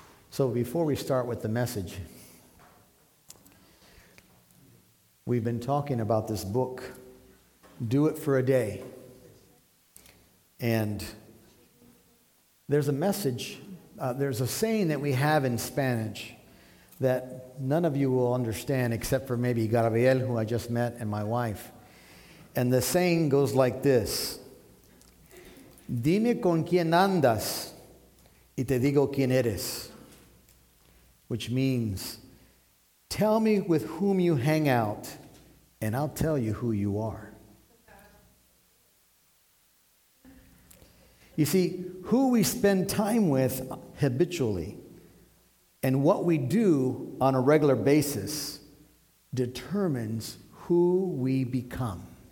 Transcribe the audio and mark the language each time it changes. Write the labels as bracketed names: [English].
[English] So before we start with the message, we've been talking about this book, Do It for a Day. And there's a message, there's a saying that we have in Spanish that none of you will understand except for maybe Gabriel, who I just met, and my wife. And the saying goes like this: [Spanish] Dime con quién andas y te digo quién eres. [English] Which means, tell me with whom you hang out and I'll tell you who you are. You see, who we spend time with habitually and what we do on a regular basis determines who we become.